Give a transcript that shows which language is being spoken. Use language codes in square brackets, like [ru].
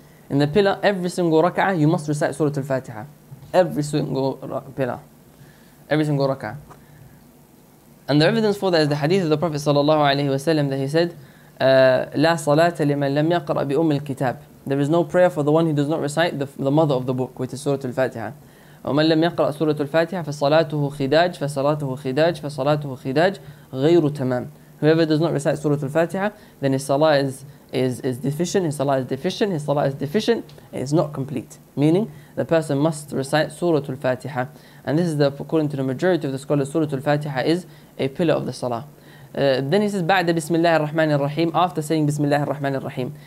[en] In the pillar, every single raka'ah, you must recite Surah Al-Fatiha. Every single pillar. Every single raka'ah. And the evidence for that is the hadith of the Prophet sallallahu alaihi wasallam that he said, [ar] لا صلاة لمن لم يقرأ بأم الكتاب. [en] There is no prayer for the one who does not recite the mother of the book, which is Surah Al-Fatiha. [ar] ومن لم يقرأ سورة الفاتحة فصلاته خداج فصلاته خداج فصلاته خداج غير تمام. [en] Whoever does not recite Surah Al-Fatiha, then his salah is deficient, his salah is deficient, his salah is deficient, it is not complete. Meaning, the person must recite Surah Al-Fatiha. And this is the, according to the majority of the scholars, Surah Al-Fatiha is a pillar of the salah. Then he says, [ar] بعد بسم الله الرحمن الرحيم, [en] after saying بسم الله الرحمن الرحيم.